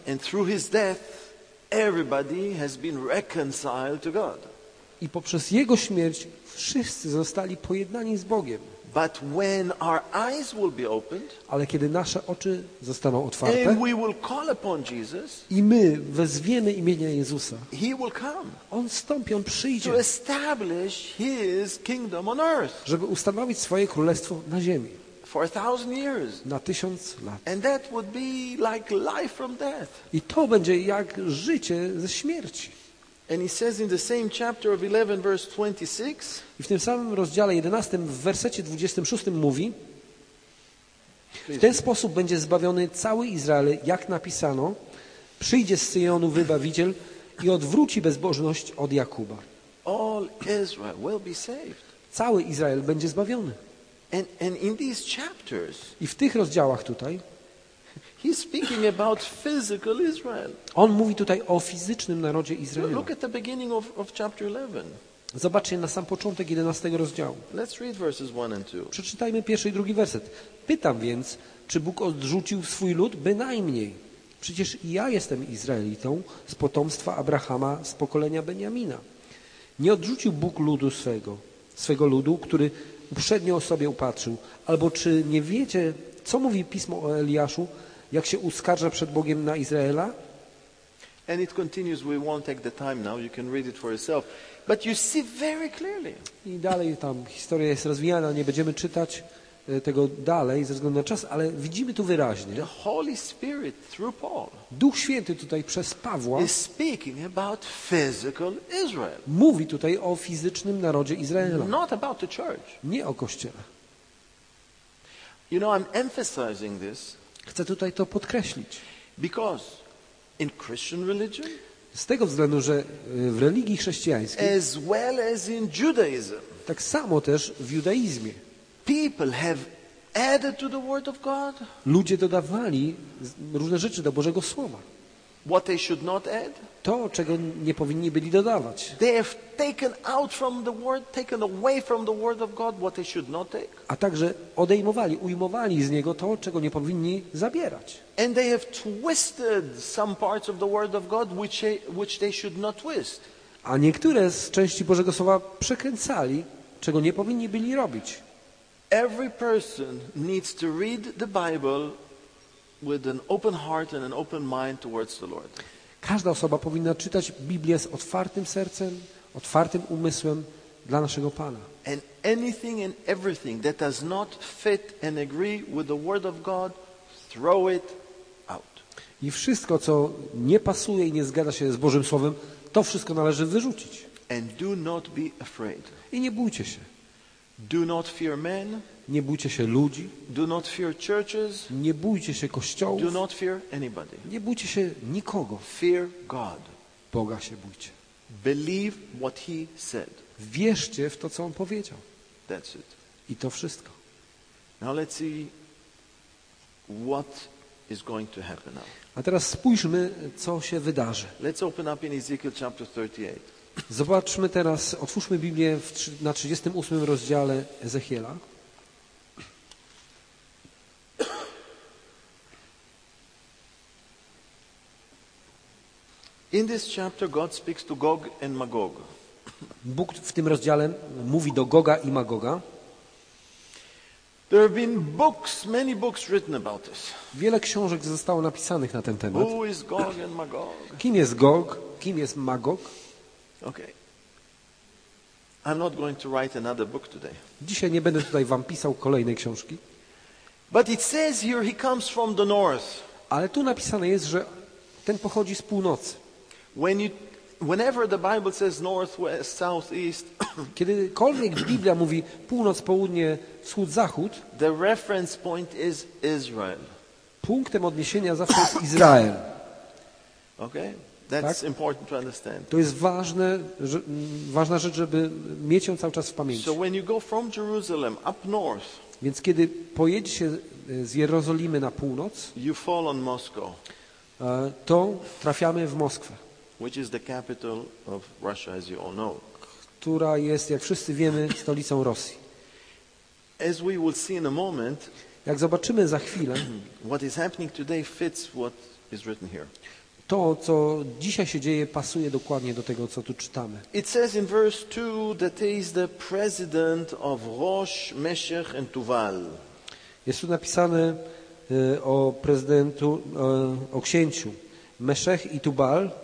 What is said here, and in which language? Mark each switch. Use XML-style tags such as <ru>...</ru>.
<en>And through his death, everybody has been reconciled to God.</en> <pl>I poprzez jego śmierć wszyscy zostali pojednani z Bogiem.</pl> <en>But when our eyes will be opened,</en> <pl>ale kiedy nasze oczy zostaną otwarte,</pl> <en>and we will call upon Jesus,</en> <pl>i my wezwiemy imienia Jezusa,</pl> <en>he will come,</en> <pl>on wstąpi, on przyjdzie,</pl> <en>to establish his kingdom on earth,</en> <pl>żeby ustanowić swoje królestwo na ziemi.</pl> <en>For a thousand years.</en> <pl>Na tysiąc lat.</pl> <en>And that would be like life from death.</en> <pl>I to będzie jak życie ze śmierci.</pl> <en>And he says in the same chapter of 11 verse 26,</en> <pl>i w tym samym rozdziale 11 w wersecie 26 mówi: w ten sposób będzie zbawiony cały Izrael, jak napisano: przyjdzie z Syjonu wybawiciel i odwróci bezbożność od Jakuba.</pl> <en>All Israel will be saved.</en> <pl>Cały Izrael będzie zbawiony.</pl> <en>And in these chapters,</en> <pl>i w tych rozdziałach tutaj,</pl> <en>he's speaking about physical Israel.</en> <pl>On mówi tutaj o fizycznym narodzie Izraela.</pl> <en>Look at the beginning of chapter 11.</en> <pl>Zobaczcie na sam początek 11 rozdziału.</pl> <en>Let's read verses 1 and 2.</en> <pl>Przeczytajmy pierwszy i drugi werset. Pytam więc, czy Bóg odrzucił swój lud? Bynajmniej. Przecież ja jestem Izraelitą z potomstwa Abrahama, z pokolenia Benjamina. Nie odrzucił Bóg ludu swego ludu, który uprzednio o sobie upatrzył. Albo czy nie wiecie, co mówi pismo o Eliaszu, jak się uskarża przed Bogiem na Izraela?</pl> <en>And it continues, we won't take the time now, you can read it for yourself. But you see very clearly.</en> <pl>I dalej tam historia jest rozwijana, nie będziemy czytać tego dalej ze względu na czas, ale widzimy tu wyraźnie.</pl> <en>The Holy Spirit through Paul.</en> <pl>Duch Święty tutaj przez Pawła</pl> <en>is speaking about physical Israel.</en> <pl>Mówi tutaj o fizycznym narodzie Izraela.</pl> <en>Not about the church.</en> <pl>Nie o kościele.</pl> <en>You know, I'm emphasizing this.</en> <pl>Chcę tutaj to podkreślić.</pl> <en>Because in Christian religion,</en> <pl>z tego względu, że w religii chrześcijańskiej,</pl> <en>as well as in Judaism,</en> <pl>tak samo też w judaizmie,</pl> <en>people have added to the word of God,</en> <pl>ludzie dodawali różne rzeczy do Bożego Słowa.</pl> <en>What they should not add,</en> <pl>to, czego nie powinni byli dodawać.</pl> <en>They have taken out from the word, taken away from the word of God what they should not take.</en> <pl>A także odejmowali, ujmowali z niego to, czego nie powinni zabierać.</pl> <en>And they have twisted some parts of the word of God which they should not twist.</en> <pl>A niektóre z części Bożego Słowa przekręcali, czego nie powinni byli robić.</pl> <en>Every person needs to read the Bible with an open heart and an open mind towards the Lord.</en> <pl>Każda osoba powinna czytać Biblię z otwartym sercem, otwartym umysłem dla naszego Pana.</pl> <en>And anything and everything that does not fit and agree with the word of God, throw it out.</en> <pl>I wszystko, co nie pasuje i nie zgadza się z Bożym Słowem, to wszystko należy wyrzucić.</pl> <en>And do not be afraid.</en> <pl>I nie bójcie się.</pl> <en>Do not fear men.</en> <pl>Nie bójcie się ludzi.</pl> <en>Do not fear churches.</en> <pl>Nie bójcie się kościołów.</pl> <en>Do not fear anybody.</en> <pl>Nie bójcie się nikogo.</pl> <en>Fear God.</en> <pl>Boga się bójcie.</pl> <en>Believe what he said.</en> <pl>Wierzcie w to, co on powiedział.</pl> <en>That's it.</en> <pl>I to wszystko.</pl> <en>Now let's see what is going to happen now.</en> <pl>A teraz spójrzmy, co się wydarzy.</pl> <en>Let's open up in Ezekiel chapter 38.</en> <pl>Zobaczmy teraz, otwórzmy Biblię na 38 rozdziale Ezechiela.</pl> <en>In this chapter God speaks to Gog and Magog.</en> <pl>Bóg w tym rozdziale mówi do Goga i Magoga.</pl> <en>There have been books, many books written about this.</en> <pl>Wiele książek zostało napisanych na ten temat.</pl> <en>Who is Gog and Magog?</en> <pl>Kim jest Gog? Kim jest Magog?</pl> <en>Okay. I'm not going to write another book today.</en> <pl>Dzisiaj nie będę tutaj wam pisał kolejnej książki.</pl> <en>But it says here he comes from the north.</en> <pl>Ale tu napisane jest, że ten pochodzi z północy.</pl> <en>Whenever the Bible says north, west, south, east,</en> <pl>kiedykolwiek Biblia mówi północ, południe, wschód, zachód,</pl> <en>the reference point is Israel.</en> <pl>Punktem odniesienia zawsze jest Izrael.</pl> <en>Okay? That's tak? Important to understand.</en> <pl>To jest ważne, ważna rzecz, żeby mieć ją cały czas w pamięci.</pl> <en>So when you go from Jerusalem up north,</en> <pl>więc kiedy pojedzie się z Jerozolimy na północ,</pl> <en>you fall on Moscow.</en> <pl>To trafiamy w Moskwę,</pl> <en>which is the capital of Russia, as you all know.</en> <pl>Która jest, jak wszyscy wiemy, stolicą Rosji.</pl> <en>As we will see in a moment,</en> <pl>jak zobaczymy za chwilę,</pl> <en>what is happening today fits what is written here.</en> <pl>To, co dzisiaj się dzieje, pasuje dokładnie do tego, co tu czytamy.</pl> <en>It says in verse 2 that he is the president of Rosh, Meshech and Tuval.</en> <pl>Jest tu napisane o prezydentu, o księciu Meshech i Tubal.</pl>